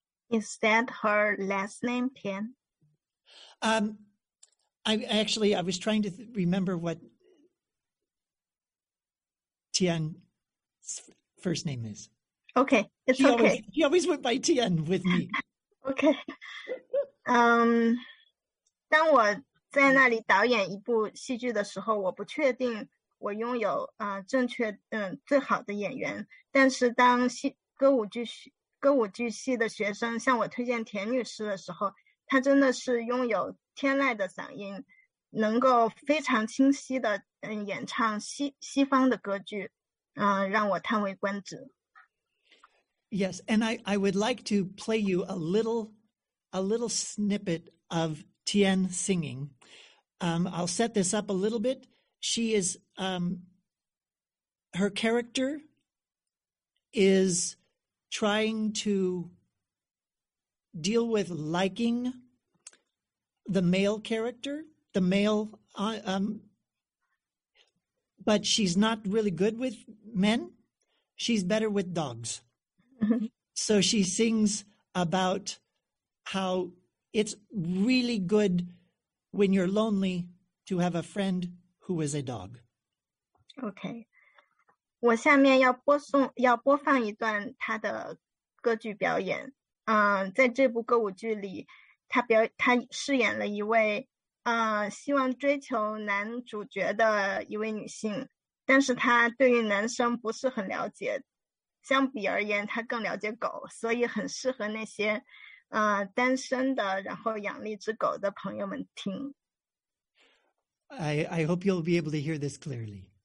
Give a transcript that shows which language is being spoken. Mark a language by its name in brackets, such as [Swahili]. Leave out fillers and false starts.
[English] Is that her last name, Tien? I was trying to remember what Tien's first name is. Okay, it's he okay. Always, he always went by Tien with me. Okay. [Chinese] 当我在那里导演一部戏剧的时候，我不确定我拥有正确最好的演员，但是当歌舞剧系的学生向我推荐田女士的时候，她真的是拥有天籁的嗓音，能够非常清晰的演唱西方的歌剧，让我叹为观止。 [English] Yes, and I would like to play you a little snippet of Tien singing. I'll set this up a little bit. She is, her character is trying to deal with liking the male character, the male, but she's not really good with men. She's better with dogs. So she sings about how it's really good when you're lonely to have a friend who is a dog. Okay. [Chinese] 我下面要播放一段他的歌剧表演。在这部歌舞剧里，他饰演了一位希望追求男主角的一位女性，但是他对于男生不是很了解，相比而言他更了解狗，所以很适合那些单身的然后养了一只狗的朋友们听。 [English] I hope you'll be able to hear this clearly.